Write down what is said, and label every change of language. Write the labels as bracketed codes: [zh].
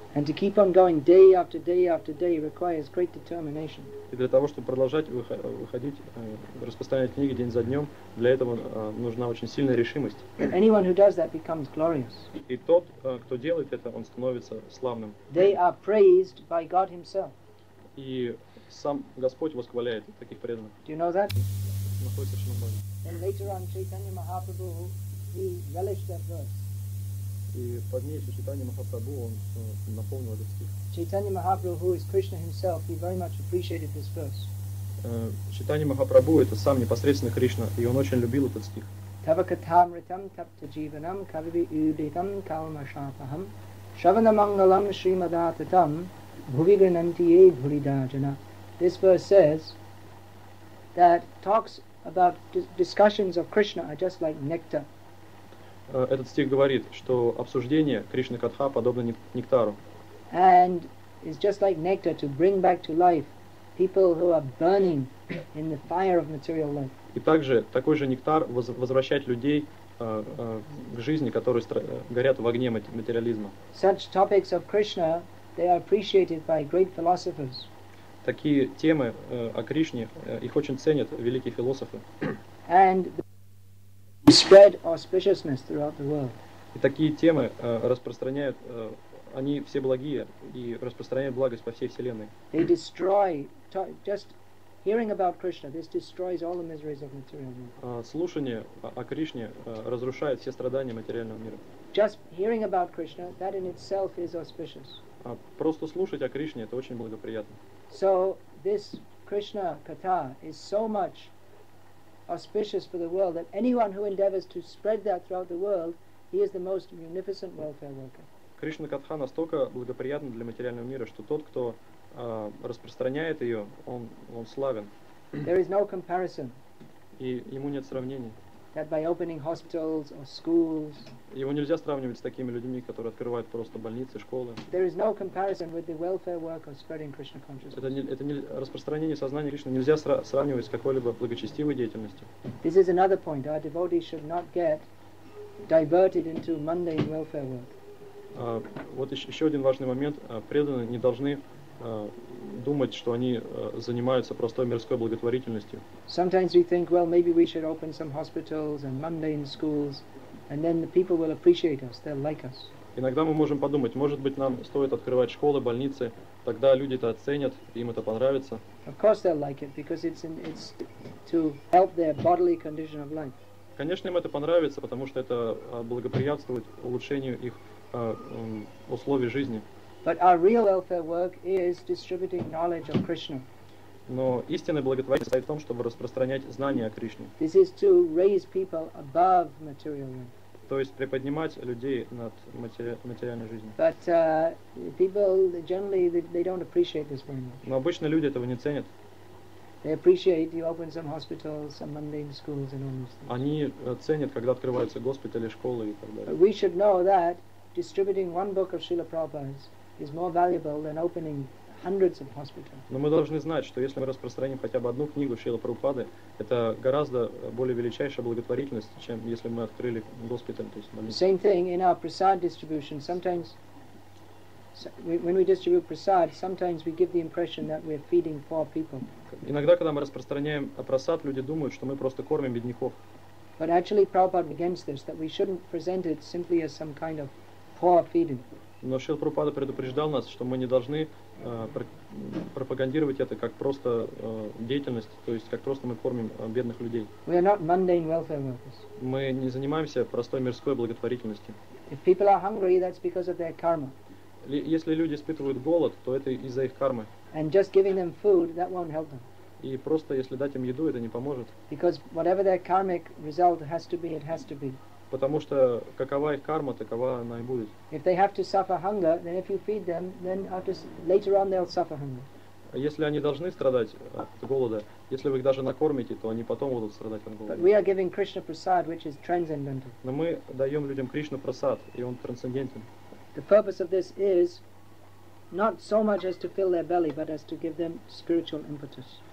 [en] And to keep on going day after day after day requires great determination. [ru] И для того, чтобы продолжать выходить, распространять книги день за днем, для этого нужна очень сильная решимость. [en] And anyone who does that becomes glorious. [ru] И тот, кто делает это, он становится славным. [en] They are praised by God himself. [ru] И сам Господь восхваляет таких преданных. [en] Do you know that? And later on, Chaitanya Mahaprabhu, he relished that verse. [ru] И позднее Чайтанья Махапрабху он напомнил этот стих. [en] Chaitanya Mahaprabhu, who is Krishna himself, he very much appreciated this verse. [ru] Чайтанья Махапрабху это сам непосредственно Кришна, и он очень любил этот стих. [sa] Тавакатамритам тапта дживанам кавиви юдитам калмашапахам шаванамангалам шримадататам бхувиганантие бхуридаджана. [en] This verse says that talks about discussions of Krishna are just like nectar. [ru] Этот стих говорит, что обсуждение Кришны Катха подобно нектару. [en] And it's just like nectar to bring back to life people who are burning in the fire of material life. [ru] И также такой же нектар возвращать людей к жизни, которые горят в огне материализма. [en] Such topics of Krishna, they are appreciated by great philosophers. [ru] Такие темы о Кришне, их очень ценят великие философы. [en] And spread auspiciousness throughout the world. [ru] И такие темы распространяют, они все благие и распространяют благость по всей вселенной. [en] They destroy, just hearing about Krishna, this destroys all the miseries of material world. [ru] Слушание о Кришне разрушает все страдания материального мира. [en] Just hearing about Krishna, that in itself is auspicious. [ru] Просто слушать о Кришне, это очень благоприятно. [en] So this Krishna Katha is so much auspicious for the world that anyone who endeavors to spread that throughout the world, he is the most munificent welfare worker. [ru] Krishna Katha настолько благоприятна для материального мира, что тот, кто распространяет ее, он славен. [en] There is no comparison. [ru] И ему нет сравнений. [en] That by opening hospitals or schools. [ru] Его нельзя сравнивать с такими людьми, которые открывают просто больницы, школы. [en] There is no comparison with the welfare work of spreading Krishna consciousness. [ru] Это не распространение сознания Кришны нельзя сравнивать с какой-либо благочестивой деятельностью. [en] This is another point. Our devotees should not get diverted into mundane welfare work. [ru] Вот еще один важный момент. Преданные не должны думать, что они занимаются простой мирской благотворительностью. [en] Sometimes we think, well, maybe we should open some hospitals and mundane schools, and then the people will appreciate us, they'll like us. [ru] Иногда мы можем подумать, может быть, нам стоит открывать школы, больницы, тогда люди это оценят, им это понравится. [en] Of course they'll like it, because it's to help their bodily condition of life. [ru] Конечно, им это понравится, потому что это благоприятствует улучшению их условий жизни. [en] But our real welfare work is distributing knowledge of Krishna. [ru] Но истинное благотворение состоит в том, чтобы распространять знания о Кришне. [en] This is to raise people above material life. [ru] То есть приподнимать людей над материальной жизнью. [en] But people generally they don't appreciate this very much. [ru] Но обычно люди этого не ценят. [en] They appreciate you open some hospitals, some mundane schools and all these things. [ru] Они ценят, когда открываются госпитали, школы и так далее. [en] But we should know that distributing one book of Srila Prabhupada is more valuable than opening hundreds of hospitals. [ru] Но мы должны знать, что если мы распространим хотя бы одну книгу Шрилы Прабхупады, это гораздо более величайшая благотворительность, чем если мы открыли госпиталь. [en] Same thing in our prasad distribution. Sometimes, when we distribute prasad, sometimes we give the impression that we're feeding poor people. [ru] Иногда, когда мы распространяем просад, люди думают, что мы просто кормим бедняков. [en] But actually Prabhupada begins this, that we shouldn't present it simply as some kind of poor feeding. [ru] Но Шрила Прабхупада предупреждал нас, что мы не должны пропагандировать это как просто деятельность, то есть как просто мы кормим бедных людей. [en] We are not mundane welfare workers. [ru] Мы не занимаемся простой мирской благотворительностью. [en] If people are hungry, that's because of their karma. [ru] Если люди испытывают голод, то это из-за их кармы. [en] And just giving them food, that won't help them. [ru] И просто если дать им еду, это не поможет. [en] Because whatever their karmic result has to be, it has to be. [ru] Потому что какова их карма, такова она и будет. [en] If they have to suffer hunger, then if you feed them, then after, later on they'll suffer hunger. [ru] Если они должны страдать от голода, если вы их даже накормите, то они потом будут страдать от голода. [en] But we are giving Krishna prasad, which is transcendental. [ru] Но мы даем людям Кришну прасад, и он трансцендентен. [en] The purpose of this is not so much as to fill their belly, but as to give them spiritual impetus.